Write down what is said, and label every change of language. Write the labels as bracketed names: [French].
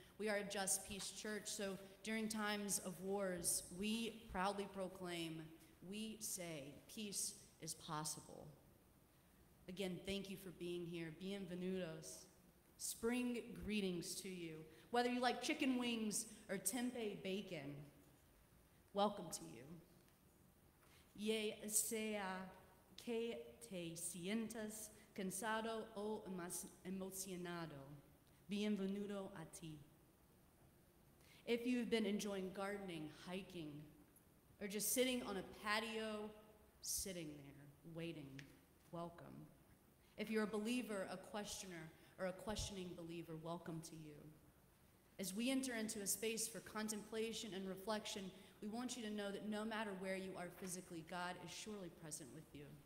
[English] We are a Just Peace Church, so during times of wars, we proudly proclaim, we say, peace is possible. Again, thank you for being here. Bienvenidos. Spring greetings to you. Whether you like chicken wings or tempeh bacon, welcome to you. [Spanish] Ya sea que te sientas cansado o emocionado, bienvenido a ti. [English] If you've been enjoying gardening, hiking, or just sitting on a patio, sitting there, waiting, welcome. If you're a believer, a questioner, or a questioning believer, welcome to you. As we enter into a space for contemplation and reflection, we want you to know that no matter where you are physically, God is surely present with you.